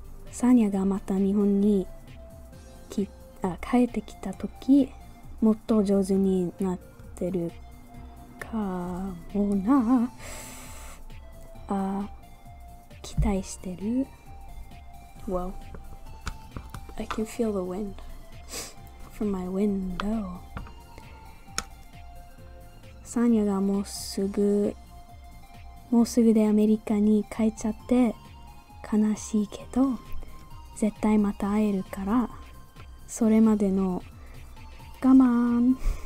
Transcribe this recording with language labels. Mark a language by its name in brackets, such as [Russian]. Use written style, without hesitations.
[Japanese] サニャがまた日本に帰ってきた時、もっと上手になってるかもな。期待してる。 [English] Wow. I can feel the wind from my window. [Japanese] サニャがもうすぐでアメリカに帰っちゃって悲しいけど、絶対また会えるから、それまでの我慢。